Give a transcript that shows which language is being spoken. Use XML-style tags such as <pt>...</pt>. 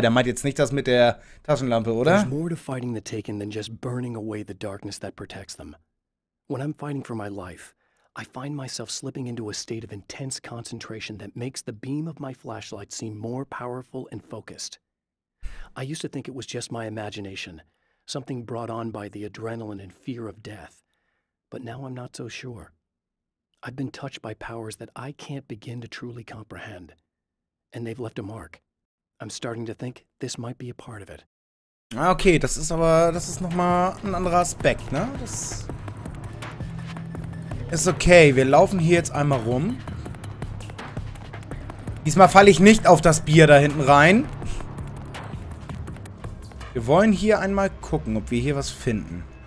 <de>Der meint jetzt nicht das mit der Taschenlampe, oder?</de> <en>There's more to fighting the Taken than just burning away the darkness that protects them. When I'm fighting for my life, I find myself slipping into a state of intense concentration that makes the beam of my flashlight seem more powerful and focused. I used to think it was just my imagination, something brought on by the adrenaline and fear of death. But now I'm not so sure. I've been touched by powers that I can't begin to truly comprehend. And they've left a mark. I'm starting to think this might be a part of it.</en> <de>Okay, das ist nochmal ein anderer Aspekt, ne? Das ist okay, wir laufen hier jetzt einmal rum. Diesmal falle ich nicht auf das Bier da hinten rein. Wir wollen hier einmal gucken, ob wir hier was finden.</de>